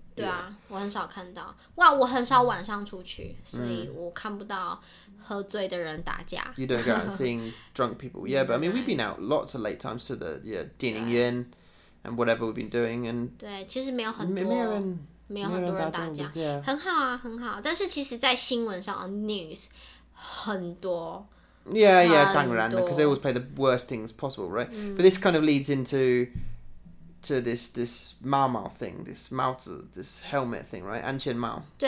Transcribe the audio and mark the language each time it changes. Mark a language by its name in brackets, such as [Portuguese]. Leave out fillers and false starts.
[Chinese] 对啊，我很少看到。哇，我很少晚上出去，所以我看不到喝醉的人打架。 [English] You don't go out and seeing drunk people. Yeah, but I mean, we've been out lots of late times to the, yeah, dining in and whatever we've been doing. And [Chinese] 对，其实没有很多人打架，很好啊，很好。但是其实，在新闻上，news很多。 [English] Yeah, yeah, [Chinese] 当然, [English] because they always play the worst things possible, right? Mm. But this kind of leads into this helmet thing, right?